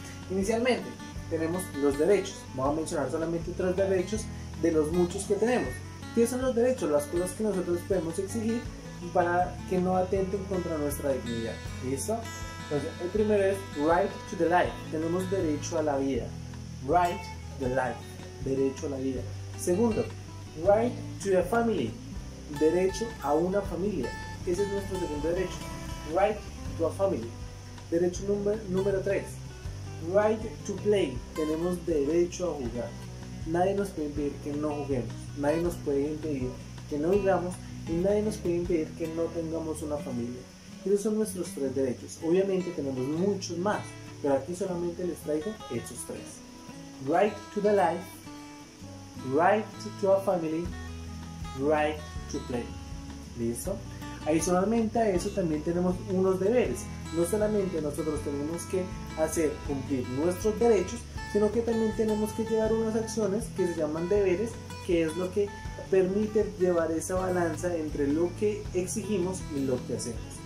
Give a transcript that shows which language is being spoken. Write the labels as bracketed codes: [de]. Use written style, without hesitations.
[es] Inicialmente, tenemos los derechos. Vamos a mencionar solamente tres derechos de los muchos que tenemos. ¿Qué son los derechos? Las cosas que nosotros podemos exigir para que no atenten contra nuestra dignidad, ¿listo? Entonces, el primero es [en] Right to the Life. [es] Tenemos derecho a la vida. [en] Right to the Life. [es] Derecho a la vida. Segundo, [en] Right to a Family. [es] Derecho a una familia. Ese es nuestro segundo derecho. [en] Right to a Family. [es] Derecho número 3. [en] Right to Play. [es] Tenemos derecho a jugar. Nadie nos puede impedir que no juguemos. Nadie nos puede impedir que no vivamos. Y nadie nos puede impedir que no tengamos una familia. Esos son nuestros tres derechos. Obviamente tenemos muchos más, pero aquí solamente les traigo esos tres. [en] Right to the life, right to a family, right to play. [es] ¿Listo? Adicionalmente a eso también tenemos unos deberes. No solamente nosotros tenemos que hacer cumplir nuestros derechos, sino que también tenemos que llevar unas acciones que se llaman deberes, que es lo que permite llevar esa balanza entre lo que exigimos y lo que hacemos.